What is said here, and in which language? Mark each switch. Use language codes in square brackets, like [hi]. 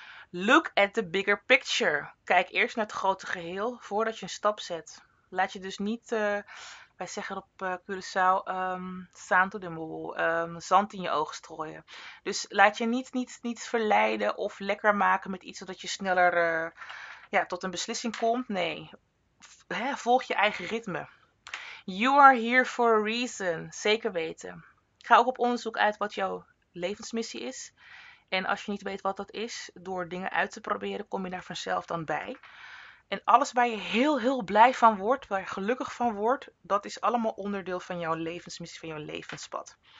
[en] Look at the bigger picture. [nl] Kijk eerst naar het grote geheel voordat je een stap zet. Laat je dus niet, wij zeggen op Curaçao, [pap] santo de moe, [nl] zand in je ogen strooien. Dus laat je niet verleiden of lekker maken met iets zodat je sneller ja, tot een beslissing komt. Nee, volg je eigen ritme. [en] You are here for a reason. [nl] Zeker weten. Ga ook op onderzoek uit wat jouw levensmissie is. En als je niet weet wat dat is, door dingen uit te proberen, kom je daar vanzelf dan bij. En alles waar je heel, heel blij van wordt, waar je gelukkig van wordt, dat is allemaal onderdeel van jouw levensmissie, van jouw levenspad.